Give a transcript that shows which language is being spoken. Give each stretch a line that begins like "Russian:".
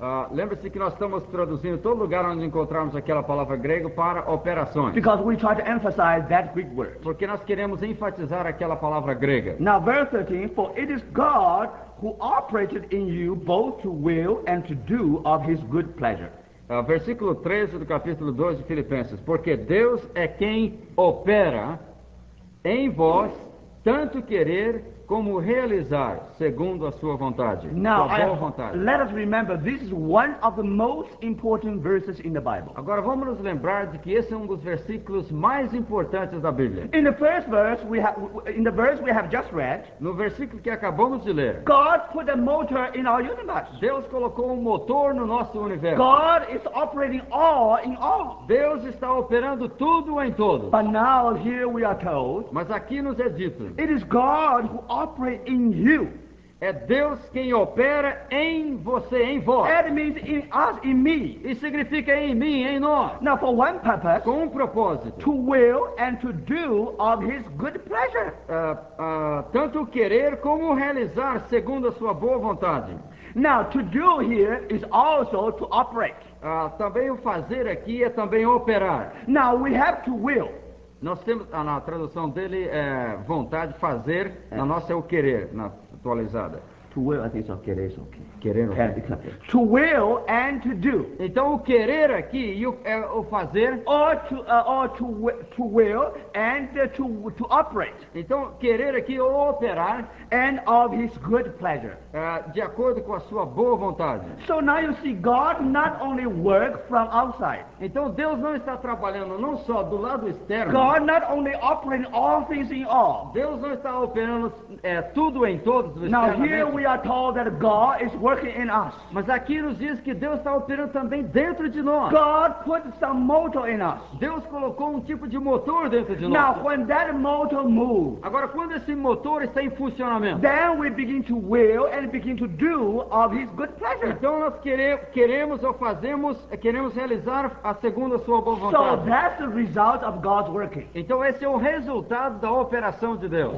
Portuguese: Lembre-se que nós estamos traduzindo todo lugar onde encontrarmos aquela palavra grega para operações.
English: Because we try to emphasize that Greek word.
Portuguese: Porque nós queremos enfatizar aquela palavra grega.
English: Now verse 13, for it is God who operated in you both to will and to do of his good pleasure.
Portuguese: Versículo 13 do capítulo 2 de Filipenses. Porque Deus é quem opera em vós tanto querer como realizar segundo a sua vontade.
English: Now,
Portuguese: sua boa vontade.
English: Let us remember, this is one of the most important verses in the Bible.
Portuguese: Agora vamos nos lembrar de que esse é um dos versículos mais importantes da Bíblia.
English: In the first verse we have just read,
Portuguese: no versículo que acabamos de ler,
English: God put a motor in our universe.
Portuguese: Deus colocou um motor no nosso universo.
English: God is operating all in all.
Portuguese: Deus está operando tudo em todos.
English: But now here we are told,
Portuguese: mas aqui nos é dito,
English: it is God who operate in you.
Portuguese: É Deus quem opera em você, em vós.
English: That means in us, in me.
Portuguese: Isso significa em mim, em nós.
English: Now for one purpose.
Portuguese: Com um propósito.
English: To will and to do of his good pleasure.
Portuguese: Tanto querer como realizar segundo a sua boa vontade.
English: Now to do here is also to operate.
Portuguese: Também o fazer aqui é também operar.
English: Now we have to will.
Portuguese: Nós temos, na tradução dele, é vontade, fazer, na nossa é o querer, na atualizada.
English: To will, I think so, querer, so,
Portuguese: querer, okay.
English: To will and to do.
Portuguese: Então, o querer aqui e o fazer.
English: Or to will and to operate.
Portuguese: Então, querer aqui ou operar.
English: And of his good pleasure.
Portuguese: De acordo com a sua boa vontade.
English: So now you see, God not only work from outside.
Portuguese: Então, Deus não está trabalhando não só do lado externo.
English: God not only operating all things in all.
Portuguese: Deus não está operando tudo em todos.
English: Now here we are told that God is working in us.
Portuguese: Mas aqui nos diz que Deus está operando também dentro de nós.
English: God put some motor in us.
Portuguese: Deus colocou um tipo de motor dentro de nós.
English: Now when that motor moves.
Portuguese: Agora, quando esse motor está em funcionamento.
English: Then we begin to will and begin to do of his good pleasure.
Portuguese: Então nós queremos realizar a segunda sua boa vontade.
English: So that's the result of God's working.
Portuguese: Então esse é o resultado da operação de Deus.